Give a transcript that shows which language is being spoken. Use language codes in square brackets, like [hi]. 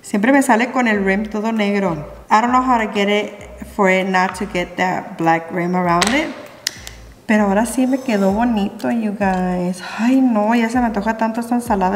[es] Siempre me sale con el rim todo negro. [en] I don't know how to get it for it not to get that black rim around it. [es] Pero ahora sí me quedó bonito, [en] you guys. [es] Ay, no, ya se me antoja tanto esta ensalada.